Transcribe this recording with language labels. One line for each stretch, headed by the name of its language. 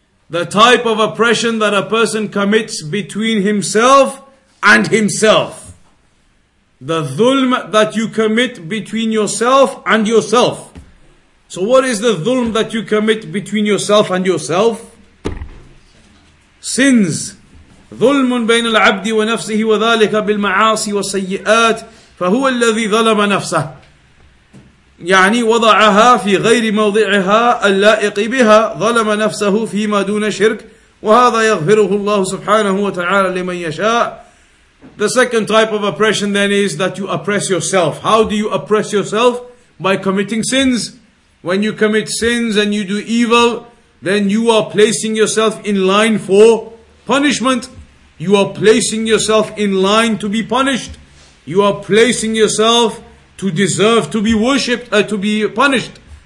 English: The type of oppression that a person commits between himself and himself. The dhulm that you commit between yourself and yourself. So what is the dhulm that you commit between yourself and yourself? Sins.
Arabic: ظلم بين العبد ونفسه وذلك بالمعاصي والسيئات فهو الذي ظلم نفسه يعني وضعها في غير موضعها اللائق بها ظلم نفسه فيما دون شرك وهذا يغفره الله سبحانه وتعالى لمن يشاء.
English: The second type of oppression then is that you oppress yourself. How do you oppress yourself? By committing sins. When you commit sins and you do evil, then you are placing yourself in line for punishment. You are placing yourself in line to be punished. You are placing yourself to deserve to be worshipped, to be punished.